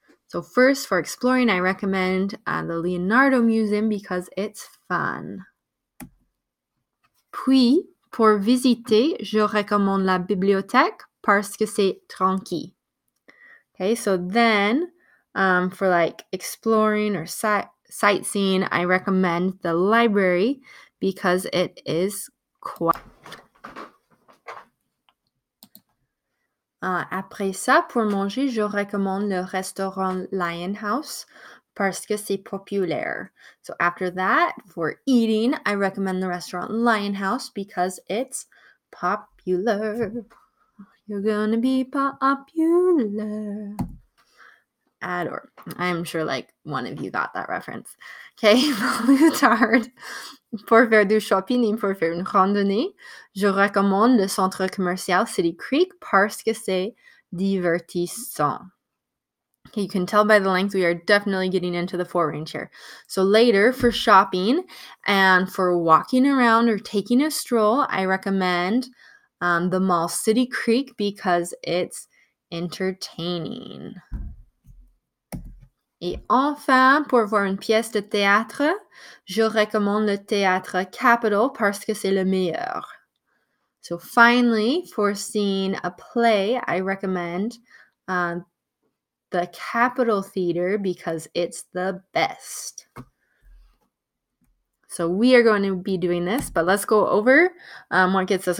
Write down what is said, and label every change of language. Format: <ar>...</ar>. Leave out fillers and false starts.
<en>So first, for exploring, I recommend the Leonardo Museum because it's fun.</en> <fr>Puis, pour visiter, je recommande la bibliothèque parce que c'est tranquille.</fr> <en>Okay, so then, for like exploring or sightseeing, I recommend the library because it is quiet.</en> <fr>Après ça, pour manger, je recommande le restaurant Lion House parce que c'est populaire.</fr> <en>So after that, for eating, I recommend the restaurant Lion House because it's popular. You're gonna be popular. Or I'm sure like one of you got that reference.</en> <fr>Okay, plus tard, pour faire du shopping et pour faire une randonnée, je recommande le centre commercial City Creek parce que c'est divertissant.</fr> <en>Okay, you can tell by the length, we are definitely getting into the four range here. So later, for shopping and for walking around or taking a stroll, I recommend the mall City Creek because it's entertaining.</en> <fr>Et enfin, pour voir une pièce de théâtre, je recommande le théâtre Capitole parce que c'est le meilleur.</fr> <en>So finally, for seeing a play, I recommend the Capitole Theater because it's the best. So we are going to be doing this, but let's go over what gets us.</en>